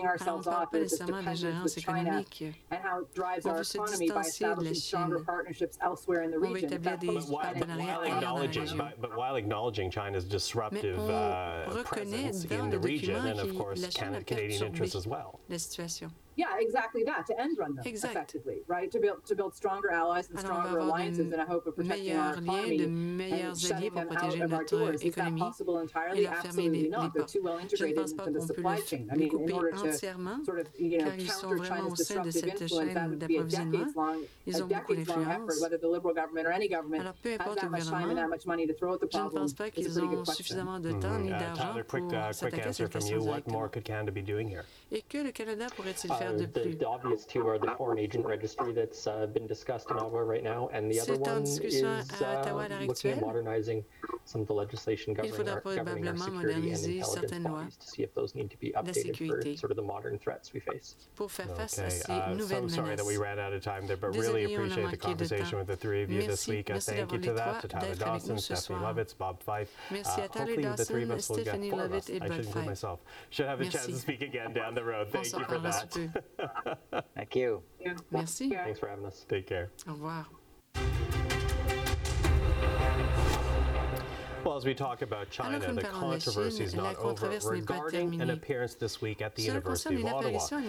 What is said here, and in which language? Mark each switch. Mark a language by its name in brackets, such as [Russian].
[French] On parle pas nécessairement de la gérance économique. On veut se distancier de la Chine. On veut établir des partenariats ailleurs dans la région. Mais on reconnaît dans le document que la Chine a perturbé la situation. [English] Yeah, exactly that, to end run them effectively, right? To build stronger allies and stronger alliances in a hope of protecting our economy and shutting them out of our doors. Is that possible entirely? Absolutely not. They're too well integrated into the supply chain. I mean, in order to sort of, counter China's disruptive influence, that would be a decades-long effort, whether the Liberal government or any government has that much time and that much money to throw at the problem. It's a pretty good question. Tyler, quick answer from you. What more could Canada be doing here? [French] Et que le Canada pourrait-il faire de plus? [English] The obvious two are the foreign agent registry that's been discussed in Ottawa right now, and the other one is looking at modernizing some of the legislation governing our security and intelligence bodies to see if those need to be updated for sort of the modern threats we face. [French] Pour faire face à ces nouvelles menaces. [English] I'm sorry that we ran out of time there, but really appreciate the conversation with the three of you this week. Thank you to that, to Tyler Dawson, Stephanie Lovitz, Bob Fife. [French] Merci à Tyler Dawson, Stephanie Lovitz et Bob Fife. [English] I shouldn't include myself. Should have a chance to speak again down the road. Thank you for that. Thank you. [French] Merci. [English] Thanks for having us. Take care. [French] Au revoir. [English] Well, as we talk about China, the controversy is not over regarding an appearance this week at the University of Ottawa.